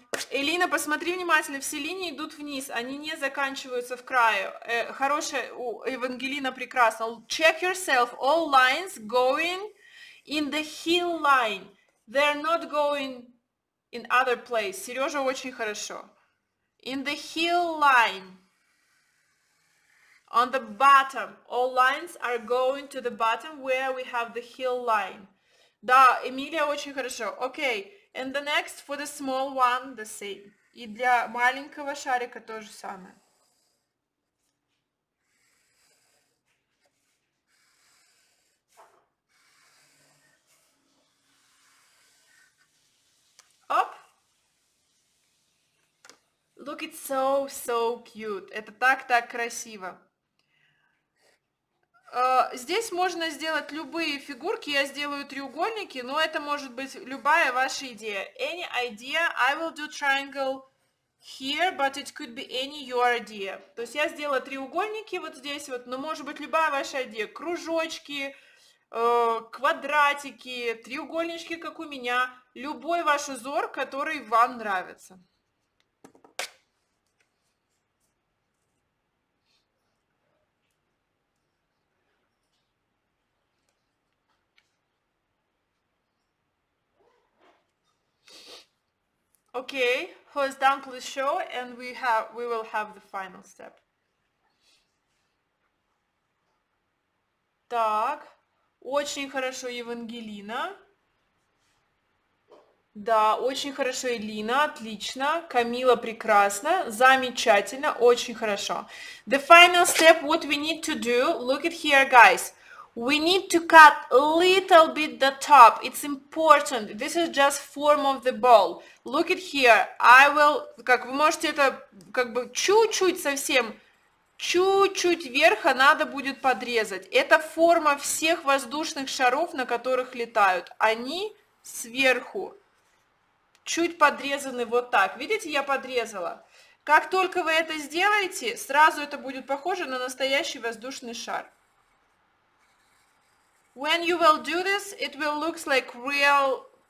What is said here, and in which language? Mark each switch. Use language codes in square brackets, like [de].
[ru] Элина, посмотри внимательно, все линии идут вниз, они не заканчиваются в краю. Хорошая, у Евангелина прекрасно. [en] Check yourself, all lines going in the hill line. They're not going in other place. [ru] Сережа, очень хорошо. [en] In the hill line. On the bottom. All lines are going to the bottom where we have the hill line. [ru] Да, Эмилия, очень хорошо. Окей. [en] And the next for the small one, the same. [ru] И для маленького шарика то же самое. [en] Look, it's so cute. [ru] Это так красиво. Здесь можно сделать любые фигурки. Я сделаю треугольники, но это может быть любая ваша идея. [en] Any idea? I will do triangle here, but it could be any your idea. [ru] То есть я сделала треугольники вот здесь вот, но может быть любая ваша идея. Кружочки, квадратики, треугольнички, как у меня. Любой ваш узор, который вам нравится. [en] Okay, who is down to the show, and we will have the final step. [ru] Так, очень хорошо, Евангелина. Да, очень хорошо, Элина, отлично. Камила, прекрасно, замечательно, очень хорошо. [en] The final step, what we need to do, look at here, guys. We need to cut a little bit the top. It's important. This is just form of the ball. Look at here. I will, [ru] как вы можете это, как бы, чуть-чуть совсем, чуть-чуть вверх надо будет подрезать. Это форма всех воздушных шаров, на которых летают. Они сверху. Чуть подрезаны вот так. Видите, я подрезала. Как только вы это сделаете, сразу это будет похоже на настоящий воздушный шар. [en] When you will do this, it will look like real.